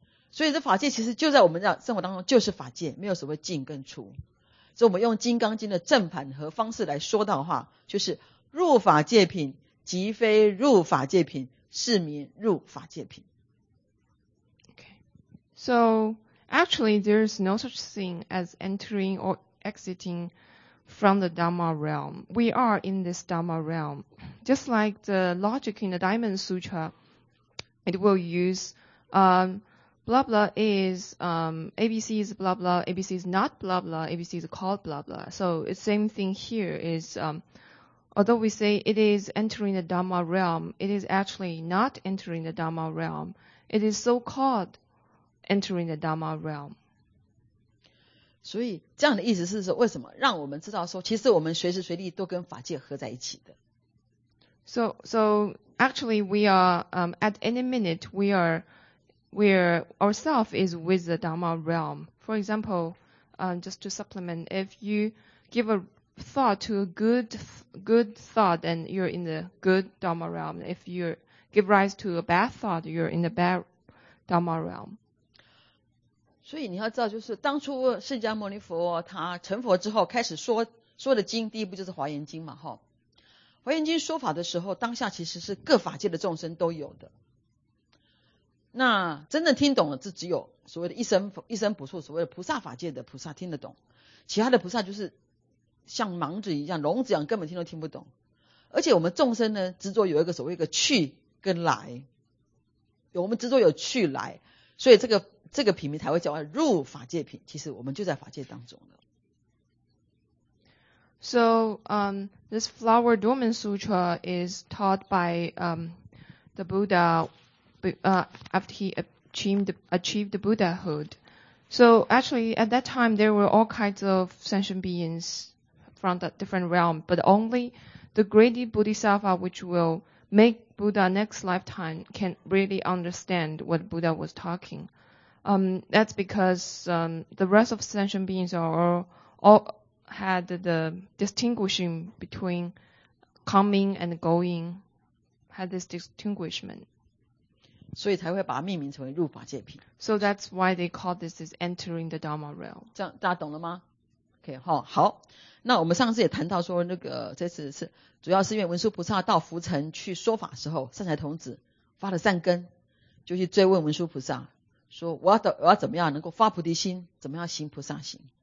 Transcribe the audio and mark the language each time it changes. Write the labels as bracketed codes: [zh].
[zh] 所以这法界其实就在我们的生活当中，就是法界，没有什么进跟出。所以我们用《金刚经》的正反合方式来说到的话，就是入法界品即非入法界品，是名入法界品。 [en] Okay. So Actually, there is no such thing as entering or exiting from the Dhamma realm. We are in this Dhamma realm. Just like the logic in the Diamond Sutra, it will use blah blah is ABC is blah blah, ABC is not blah blah, ABC is called blah blah. So the same thing here is although we say it is entering the Dhamma realm, it is actually not entering the Dhamma realm. It is so called entering the Dhamma realm. [zh] 所以这样的意思是说，为什么让我们知道说，其实我们随时随地都跟法界合在一起的。 [en] So actually we are at any minute we are ourselves is with the Dhamma realm. For example, just to supplement, if you give a thought to a good thought, then you're in the good Dhamma realm. If you give rise to a bad thought, you're in the bad Dhamma realm. [zh] 所以你要知道，就是当初释迦牟尼佛他成佛之后开始说的经，第一部就是华严经嘛，哈。华严经说法的时候，当下其实是各法界的众生都有的。那真正听懂了，是只有所谓的一生不处，所谓的菩萨法界的菩萨听得懂，其他的菩萨就是像盲子一样、聋子一样，根本听都听不懂。而且我们众生呢，执着有一个所谓一个去跟来，我们执着有去来，所以这个品名才会叫入法界品，其实我们就在法界当中了。 [en] So, this Flower Dormant Sutra is taught by the Buddha after he achieved the Buddhahood. So, actually, at that time, there were all kinds of sentient beings from the different realm, but only the great Bodhisattva, which will make Buddha next lifetime, can really understand what Buddha was talking. That's because the rest of sentient beings are all had the distinguishing between coming and going, had this distinguishment. [zh] 所以才会把它命名成为入法界品。 [en] So that's why they call this is entering the Dharma realm. [zh] 这样大家懂了吗 ？OK， 好，好。那我们上次也谈到说，那个这次是主要是因为文殊菩萨到浮尘去说法时候，善财童子发了善根，就去追问文殊菩萨。说我要怎么样能够发菩提心，怎么样行菩萨行。